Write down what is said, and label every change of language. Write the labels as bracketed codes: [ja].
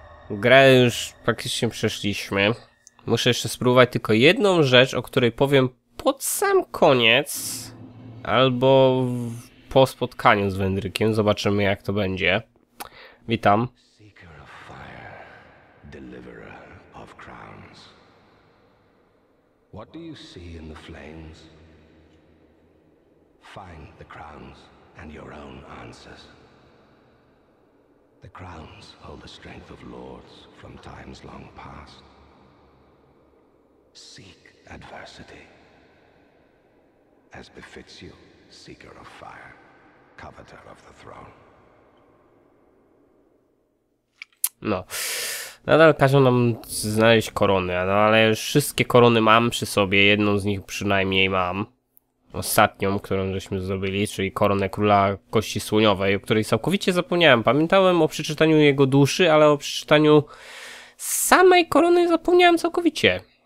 [pl] Grę już praktycznie przeszliśmy. Muszę jeszcze spróbować tylko jedną rzecz, o której powiem pod sam koniec, albo po spotkaniu z Wendrykiem, zobaczymy jak to będzie. Witam. [en] Seeker of fire, deliverer of crowns. What do you see in the flames? Find the crowns and your own answers. The crowns hold the strength of lords from times long past. Seek adversity. As befits you, seeker of fire, coveter of the throne. [pl] No, nadal każą nam znaleźć korony, no ale wszystkie korony mam przy sobie, jedną z nich przynajmniej mam. Ostatnią, którą żeśmy zrobili, czyli koronę króla kości słoniowej, o której całkowicie zapomniałem. Pamiętałem o przeczytaniu jego duszy, ale o przeczytaniu samej korony zapomniałem całkowicie.